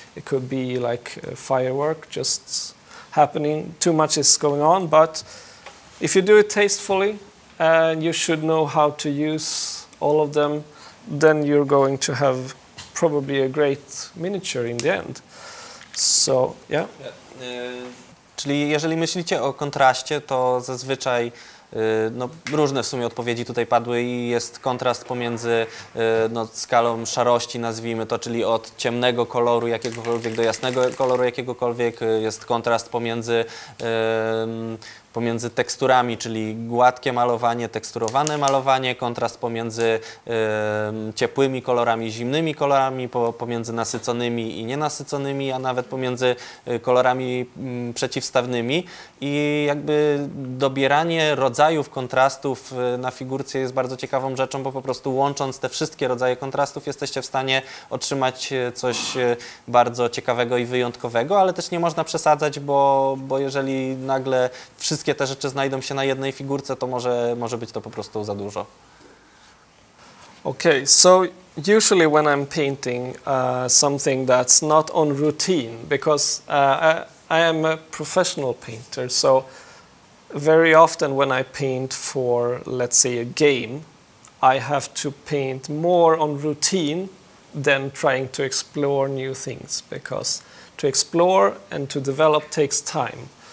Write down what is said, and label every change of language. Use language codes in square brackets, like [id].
[en] It could be like a firework just happening, too much is going on. But if you do it tastefully and you should know how to use all of them, then you're going to have probably a great miniature in the end. So, yeah. [pl] Czyli jeżeli myślicie o kontraście, to zazwyczaj różne w sumie odpowiedzi tutaj padły i jest kontrast pomiędzy skalą szarości, nazwijmy to, czyli od ciemnego koloru jakiegokolwiek do jasnego koloru jakiegokolwiek, jest kontrast pomiędzy teksturami, czyli gładkie malowanie, teksturowane malowanie, kontrast pomiędzy ciepłymi kolorami, zimnymi kolorami, pomiędzy nasyconymi i nienasyconymi, a nawet pomiędzy kolorami przeciwstawnymi. I jakby dobieranie rodzajów kontrastów na figurce jest bardzo ciekawą rzeczą, bo po prostu łącząc te wszystkie rodzaje kontrastów jesteście w stanie otrzymać coś bardzo ciekawego i wyjątkowego, ale też nie można przesadzać, bo jeżeli nagle wszystkie te rzeczy znajdą się na jednej figurce, to może być to po prostu za dużo. [en] Okay, so usually when I'm painting something that's not on routine, because I am a professional painter, so very often when I paint for, let's say, a game, I have to paint more on routine than trying to explore new things, because to explore and to develop takes time.